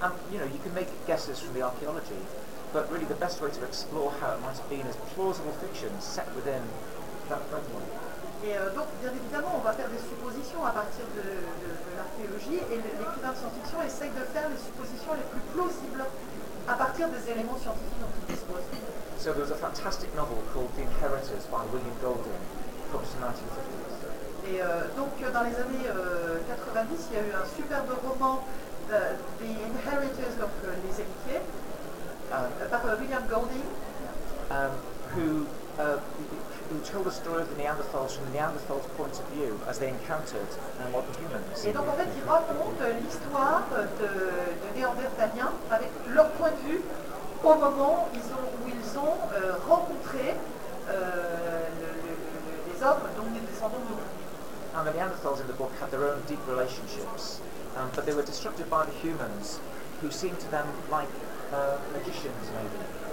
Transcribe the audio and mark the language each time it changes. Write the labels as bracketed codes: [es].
[en] You know, you can make guesses from the archaeology, but really the best way to explore how it might have been is plausible fiction set within that framework. [fr] Et donc, bien évidemment, on va faire des suppositions à partir de l'archéologie, et l'écrivain de science-fiction essaye de faire les suppositions les plus plausibles à partir des éléments scientifiques dont il dispose. [en] So there was a fantastic novel called The Inheritors by William Golding, published in 1950. [fr] Et donc, dans les années 90, il y a eu un superbe roman, The Inheritors, donc les héritiers, par William Golding, [en] who told the story of the Neanderthals from the Neanderthals' point of view as they encountered modern humans. [fr] Et donc, en fait, il raconte l'histoire de Néandertaliens avec leur point de vue au moment où ils ont rencontré les hommes, donc les descendants de. [en] And the Neanderthals in the book had their own deep relationships, but they were disrupted by the humans, who seemed to them like magicians, maybe.